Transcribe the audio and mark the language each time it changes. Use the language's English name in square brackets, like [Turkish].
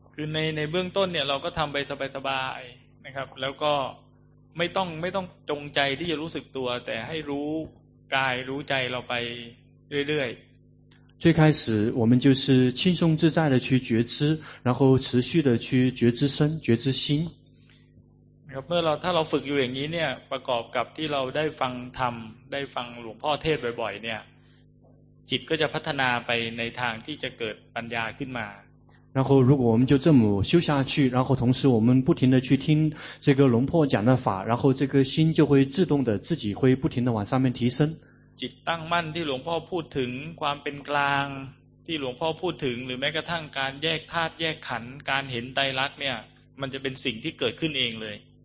[Thai] คือในเบื้องต้นเนี่ยเราก็ทำไปสบายสบายนะครับแล้วก็ไม่ต้องจงใจที่จะรู้สึกตัวแต่ให้รู้กายรู้ใจเราไปเรื่อย [Chinese] ๆ最开始我们就是轻松自在的去觉知，然后持续的去觉知身、觉知心。 [Thai] เมื่อเราถ้าเราฝึกอยู่อย่างนี้เนี่ยประกอบกับที่เราได้ฟังธรรมได้ฟังหลวงพ่อเทศบ่อยๆเนี่ยจิตก็จะพัฒนาไปในทางที่จะเกิดปัญญาขึ้นมา [Chinese] 然后如果我们就这么修下去，然后同时我们不停的去听这个龙破讲的法，然后这个心就会自动的自己会不停的往上面提升。 [Thai] จิตตั้งมั่นที่หลวงพ่อพูดถึงความเป็นกลางที่หลวงพ่อพูดถึงหรือแม้กระทั่งการแยกธาตุแยกขันธ์การเห็นไตรลักษณ์เนี่ยมันจะเป็นสิ่งที่เกิดขึ้นเองเลย